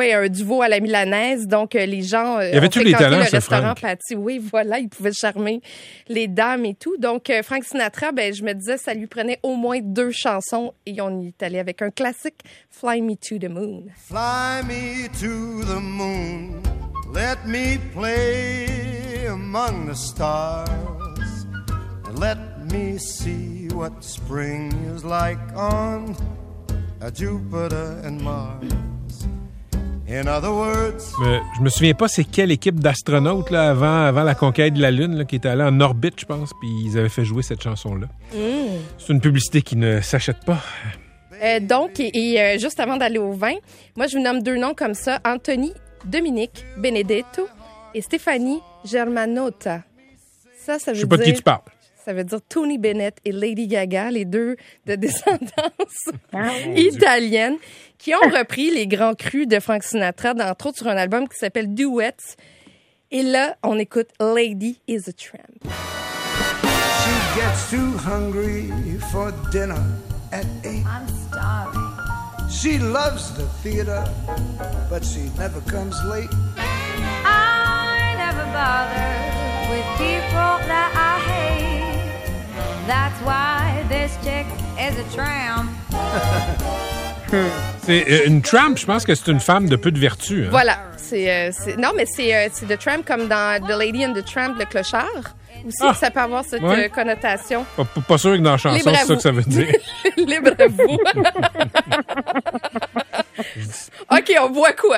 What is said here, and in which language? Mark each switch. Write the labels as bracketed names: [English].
[French] Du veau à la milanaise. Donc, les gens il avait ont fréquenté talents, le restaurant Frank. Patty. Oui, voilà, il pouvait charmer les dames et tout. Donc, Frank Sinatra, ben, je me disais, ça lui prenait au moins deux chansons. Et on y est allé avec un classique, Fly Me to the Moon. [English] Fly me to the moon. Let me play among the stars. And let me see what spring is like on Jupiter and Mars. In other words, [French] je me souviens pas c'est quelle équipe d'astronautes là, avant la conquête de la Lune là, qui était allée en orbite, je pense, puis ils avaient fait jouer cette chanson-là. C'est une publicité qui ne s'achète pas. Donc, juste avant d'aller au vin, moi, je vous nomme deux noms comme ça. Anthony Dominique Benedetto et Stéphanie Germanotta. Ça veut dire... Je sais pas de qui tu parles. Ça veut dire Tony Bennett et Lady Gaga, les deux de descendance italienne, qui ont repris les grands crus de Frank Sinatra, entre autres sur un album qui s'appelle Duets. Et là, on écoute Lady is a Tramp. [English] She gets too hungry for dinner at 8. I'm starving. She loves the theater, but she never comes late. I never bother with people that I hate. That's why this chick is a tramp. [French] C'est une tramp, je pense que c'est une femme de peu de vertu. Hein. Voilà. C'est The Tramp comme dans The Lady and the Tramp, le clochard. Aussi, ah, ça peut avoir cette connotation. Pas sûr que dans la chanson, c'est ça que ça veut dire. Libre à vous. OK, on boit quoi?